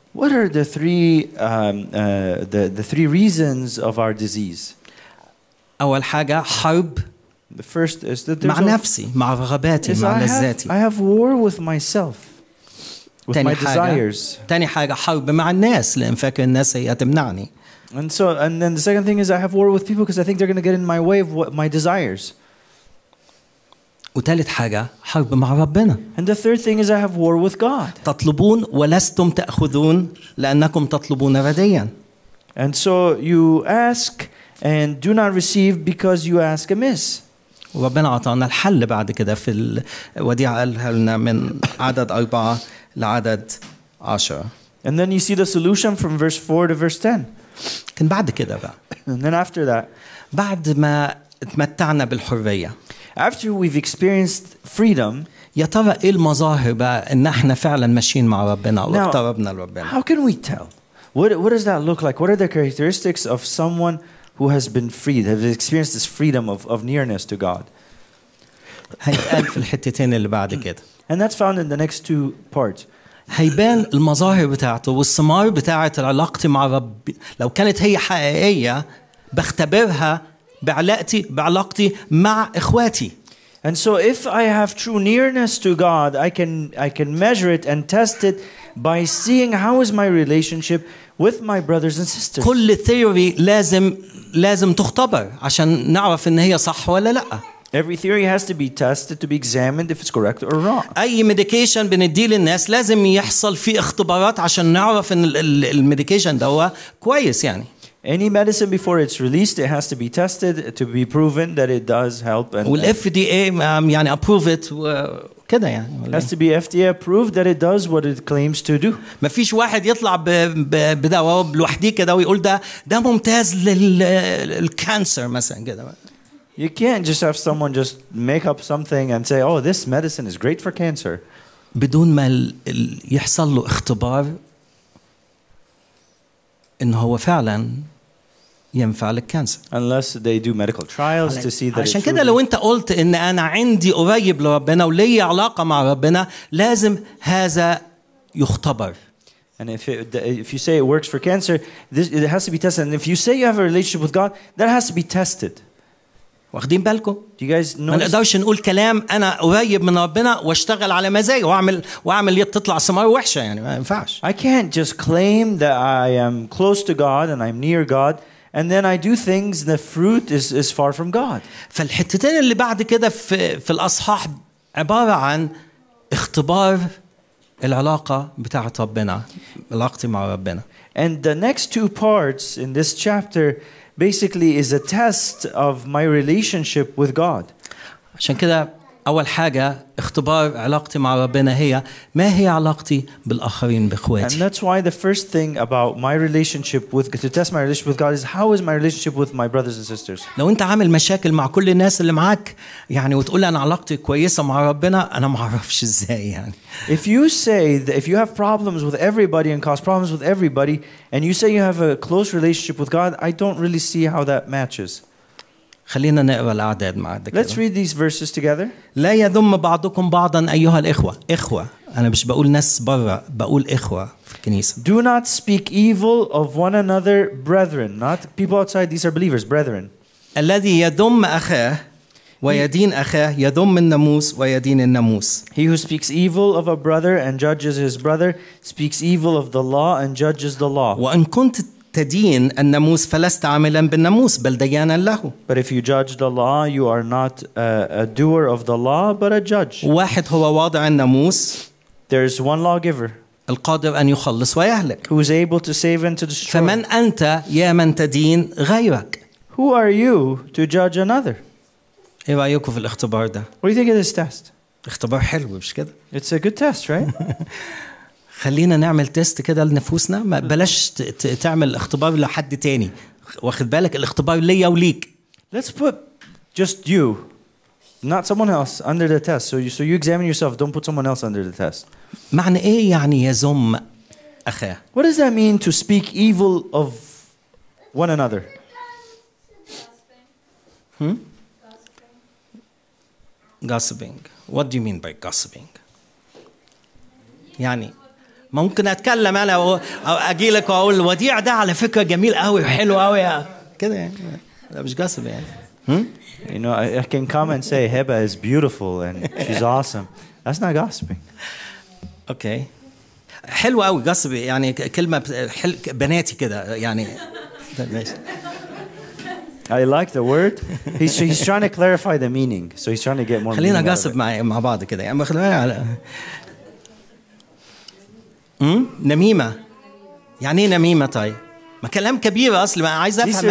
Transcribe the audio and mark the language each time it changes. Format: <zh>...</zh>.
<en>What are the three the three reasons of our disease?</en> <ar>أول حاجة حرب.</ar> <en>The first is that</en> <ar>مع نفسي مع رغباتي مع لذاتي.</ar> <en>I have war with myself. With my desires.</en> <ar>تاني حاجة حرب مع الناس لأن فاكر الناس هي تمنعني.</ar> <en>And so, and then the second thing is I have war with people because I think they're going to get in my way of what my desires.</en> <ar>وثالث حاجة حرب مع ربنا.</ar> <en>And the third thing is I have war with God.</en> <ar>تطلبون ولستم تأخذون لأنكم تطلبون رديا.</ar> <en>And so you ask and do not receive because you ask amiss.</en> <ar>وربنا عطانا الحل بعد كده في الوديعة قالها لنا من عدد أربعة لعدد عشرة.</ar> <en>And then you see the solution from verse 4 to verse 10.</en> <ar>كان بعد كده بقى.</ar> <en>And then after that.</en> <ar>بعد ما تمتعنا بالحرية.</ar> <en>After we've experienced freedom,</en> <ar>يا ترى إيه المظاهر بقى إن إحنا فعلاً ماشيين مع ربنا واقتربنا لربنا.</ar> <en>How can we tell? What does that look like? What are the characteristics of someone who has been freed, has experienced this freedom of nearness to God?</en> <ar>هيتقال في الحتتين اللي بعد كده.</ar> <en>And that's found in the next two parts.</en> <ar>هيبان المظاهر بتاعته والثمار بتاعة علاقتي مع رب لو كانت هي حقيقية بختبرها بعلاقتي مع إخواتي.</ar> <en>And so if I have true nearness to God, I can measure it and test it by seeing how is my relationship with my brothers and sisters.</en> <ar>كل theory لازم تختبر عشان نعرف إن هي صح ولا لا.</ar> <en>Every theory has to be tested to be examined if it's correct or wrong.</en> <ar>أي medication بندي للناس لازم يحصل فيه اختبارات عشان نعرف إن ال medication ده هو كويس يعني.</ar> <en>Any medicine before it's released, it has to be tested to be proven that it does help. And will FDA</en> <ar>يعني</ar> <en>approve it</en> <ar>كده يعني.</ar> <en>Has to be FDA approved that it does what it claims to do.</en> <ar>ما فيش واحد يطلع بدواء لوحده كده ويقول ده ممتاز للكانسر مثلا كده.</ar> <en>You can't just have someone just make up something and say, "Oh, this medicine is great for cancer."</en> <ar>بدون ما يحصل له اختبار إن هو فعلاً ينفع للكانسر.</ar> <en>Unless they do medical trials to see that.</en> <ar>عشان كده لو أنت قلت إن أنا عندي قريب لربنا ولي علاقة مع ربنا لازم هذا يختبر.</ar> <en>And if you say it works for cancer, it has to be tested. And if you say you have a relationship with God, that has to be tested.</en> <ar>واخدين بالكم؟</ar> <en>Do you guys notice?</en> <ar>ما نقدرش نقول كلام أنا قريب من ربنا واشتغل على مزاجي واعمل تطلع ثمار وحشة يعني ما ينفعش.</ar> <en>I can't just claim that I am close to God and I'm near God and then I do things the fruit is far from God.</en> <ar>فالحتتين اللي بعد كده في الأصحاح عبارة عن اختبار العلاقة بتاعة ربنا علاقتي مع ربنا.</ar> <en>And the next two parts in this chapter basically is a test of my relationship with God.</en> <ar>عشان كده اول حاجه اختبار علاقتي مع ربنا هي ما هي علاقتي بالاخرين باخواتي.</ar> <en>And that's why the first thing about my relationship with God, to test my relationship with God is how is my relationship with my brothers and sisters.</en> <ar>لو انت عامل مشاكل مع كل الناس اللي معاك يعني وتقول انا علاقتي كويسه مع ربنا انا ما اعرفش ازاي يعني.</ar> <en>If you say that if you have problems with everybody and cause problems with everybody and you say you have a close relationship with God, I don't really see how that matches.</en> <ar>خلينا نقرا الاعداد مع بعض.</ar> <en>Let's read these verses together.</en> <ar>لا يذم بعضكم بعضا ايها الاخوه. اخوه انا مش بقول ناس بره بقول اخوه في الكنيسه.</ar> <en>Do not speak evil of one another, brethren. Not people outside, these are believers, brethren.</en> <ar>الذي يذم اخاه ويدين اخاه يذم الناموس ويدين الناموس.</ar> <en>He who speaks evil of a brother and judges his brother speaks evil of the law and judges the law.</en> <ar>وان كنت تدين الناموس فلست عاملا بالناموس بل ديانا له.</ar> <en>But if you judge the law, you are not a doer of the law, but a judge.</en> <ar>واحد هو واضع الناموس.</ar> <en>There is one lawgiver.</en> <ar>القادر أن يخلص ويهلك.</ar> <en>Who is able to save and to destroy.</en> <ar>فمن أنت يا من تدين غيرك.</ar> <en>Who are you to judge another?</en> <ar>إيه رأيكم في الاختبار ده؟</ar> <en>What do you think of this test?</en> <ar>اختبار حلو مش كده؟</ar> <en>It's a good test, right?</en> <ar>خلينا نعمل تيست كده لنفوسنا ما بلاش تعمل اختبار لحد تاني واخد بالك الاختبار ليا وليك.</ar> <en>Let's put just you not someone else under the test. So you examine yourself, don't put someone else under the test.</en> <ar>معنى ايه يعني يذم اخاه؟</ar> <en>What does that mean to speak evil of one another? Gossiping. What do you mean by gossiping?</en> <ar>يعني ممكن اتكلم انا او اجي لك واقول الوديع ده على فكره جميل قوي وحلو قوي كده يعني ده مش قصب يعني.</ar> <en>You know, I can come and say Heba is beautiful and she's awesome. That's not gossiping.</en> <ar>Okay. حلو قوي قصب يعني كلمه بناتي كده يعني.</ar> <en>I like the word. He's trying to clarify the meaning. So he's trying to get more.</en> <ar>خلينا قصب مع بعض كده يعني خلينا على نميمة يعني نميمة طيب ما كلام كبير أصلا ما عايز أفهم</ar>